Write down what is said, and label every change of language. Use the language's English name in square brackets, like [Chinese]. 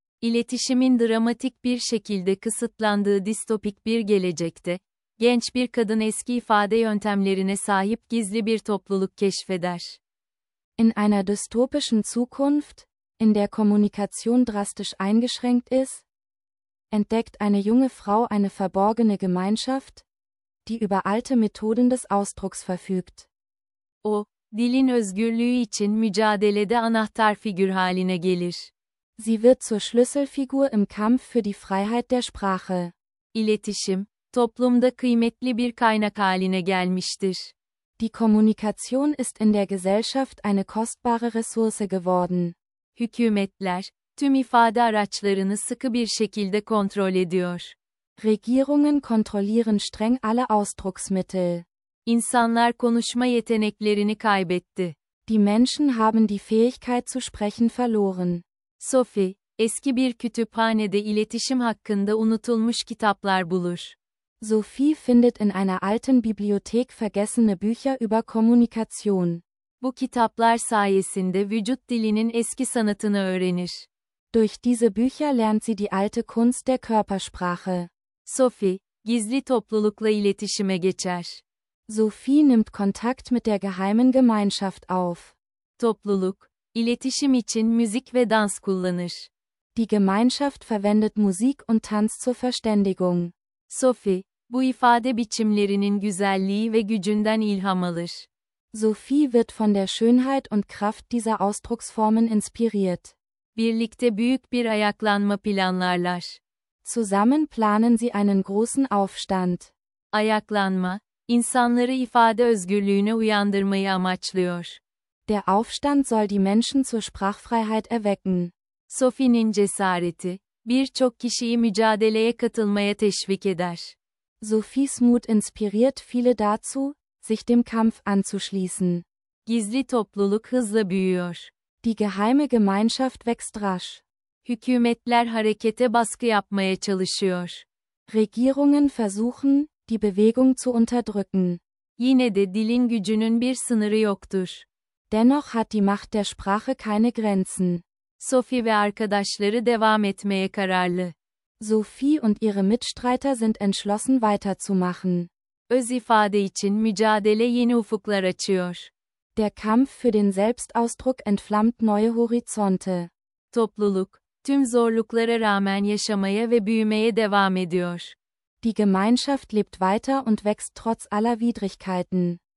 [Turkish] İletişimin dramatik bir şekilde kısıtlandığı distopik bir gelecekte, genç bir kadın eski ifade yöntemlerine sahip gizli bir topluluk keşfeder. [German] In einer dystopischen Zukunft, in der Kommunikation drastisch eingeschränkt ist, entdeckt eine junge Frau eine verborgene Gemeinschaft, die über alte Methoden des Ausdrucks verfügt. [Turkish] O, dilin özgürlüğü için mücadelede anahtar figür haline gelir. [German] Sie wird zur Schlüsselfigur im Kampf für die Freiheit der Sprache. [Turkish] İletişim, toplumda kıymetli bir kaynak haline gelmiştir. [German] Die Kommunikation ist in der Gesellschaft eine kostbare Ressource geworden. [Turkish] Hükümetler, tüm ifade araçlarını sıkı bir şekilde kontrol ediyor. [German] Regierungen kontrollieren streng alle Ausdrucksmittel. [Turkish] İnsanlar konuşma yeteneklerini kaybetti. [German] Die Menschen haben die Fähigkeit zu sprechen verloren. [Turkish] Sophie, eski bir kütüphanede iletişim hakkında unutulmuş kitaplar bulur. [German] Sophie findet in einer alten Bibliothek vergessene Bücher über Kommunikation. [Turkish] Bu kitaplar sayesinde vücut dilinin eski sanatını öğrenir. [German] Durch diese Bücher lernt sie die alte Kunst der Körpersprache. [Turkish] Sophie, gizli toplulukla iletişime geçer. [German] Sophie nimmt Kontakt mit der geheimen Gemeinschaft auf. [Turkish] Topluluk, iletişim için müzik ve dans kullanır. [German] Die Gemeinschaft verwendet Musik und Tanz zur Verständigung. [Turkish] Sophie, bu ifade biçimlerinin güzelliği ve gücünden ilham alır. [German] Sophie wird von der Schönheit und Kraft dieser Ausdrucksformen inspiriert. [Turkish] Birlikte büyük bir ayaklanma planlarlar. [German] Zusammen planen sie einen großen Aufstand. [Turkish] Ayaklanma, insanları ifade özgürlüğüne uyandırmayı amaçlıyor. [German] Der Aufstand soll die Menschen zur Sprachfreiheit erwecken. [Turkish] Sophie'nin cesareti, birçok kişiyi mücadeleye katılmaya teşvik eder. [German] Sophies Mut inspiriert viele dazu, sich dem Kampf anzuschließen. [Turkish] Gizli topluluk hızla büyüyor. [German] Die geheime Gemeinschaft wächst rasch. [Turkish] Hükümetler harekete baskı yapmaya çalışıyor. [German] Regierungen versuchen, die Bewegung zu unterdrücken. [Turkish] Yine de dilin gücünün bir sınırı yoktur. [German] Dennoch hat die Macht der Sprache keine Grenzen. [Turkish] Sophie ve arkadaşları devam etmeye kararlı. [German] Sophie und ihre Mitstreiter sind entschlossen weiterzumachen. [Turkish] Öz ifade için mücadele yeni ufuklar açıyor. [German] Der Kampf für den Selbstausdruck entflammt neue Horizonte. [Turkish] Topluluk, tüm zorluklara rağmen yaşamaya ve büyümeye devam ediyor. [German] Die Gemeinschaft lebt weiter und wächst trotz aller Widrigkeiten.